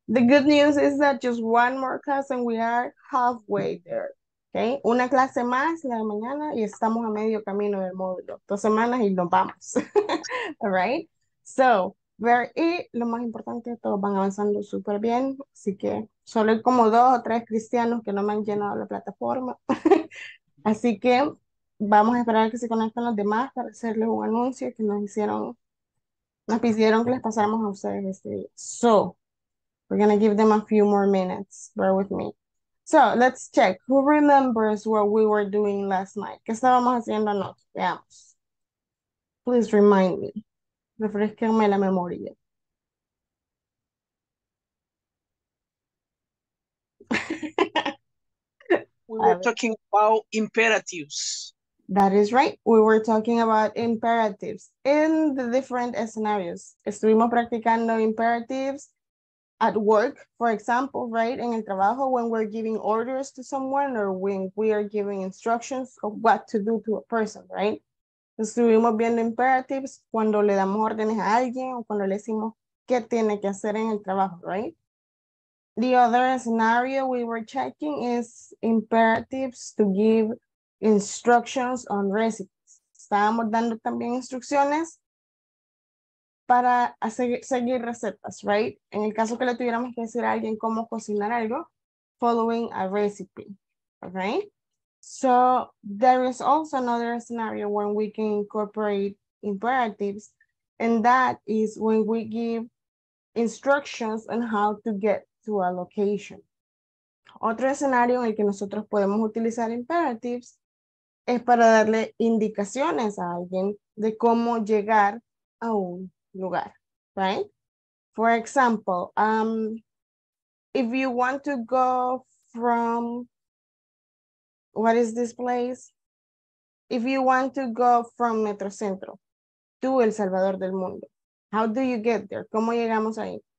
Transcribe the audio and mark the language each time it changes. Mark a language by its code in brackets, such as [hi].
[en] The good news is that just one more class and we are halfway there. Okay. [es] Una clase más la de mañana y estamos a medio camino del módulo. 2 semanas y nos vamos. All right. So, ver, y lo más importante, todos van avanzando súper bien. Así que solo hay como dos o tres cristianos que no me han llenado la plataforma. Así que vamos a esperar a que se conecten los demás para hacerles un anuncio que nos pidieron que les pasáramos a ustedes este día. [en] So, we're going to give them a few more minutes. Bear with me. So let's check. Who remembers what we were doing last night? [es] ¿Qué estábamos haciendo anoche? Veamos. [en] Please remind me. [es] Refresquenme la memoria. [en] We [es] A [en] were [es] ver. [en] talking about imperatives. That is right. We were talking about imperatives in the different scenarios. [es] Estuvimos practicando [en] imperatives. At work, for example, right? [es] En el trabajo, [en] when we're giving orders to someone or when we are giving instructions of what to do to a person, right? [es] Estuvimos viendo imperatives cuando le damos órdenes a alguien o cuando le decimos qué tiene que hacer en el trabajo, right? [en] The other scenario we were checking is imperatives to give instructions on recipes. [es] Estábamos dando también instrucciones para seguir recetas, right? En el caso que le tuviéramos que decir a alguien cómo cocinar algo, [en] following a recipe, all right? So there is also another scenario when we can incorporate imperatives, and that is when we give instructions on how to get to a location. [es] Otro escenario en el que nosotros podemos utilizar imperatives es para darle indicaciones a alguien de cómo llegar a un lugar, right? [en] For example, if you want to go from, what is this place? If you want to go from Metro Centro to El Salvador del Mundo, how do you get there? [es] ¿Cómo llegamos ahí?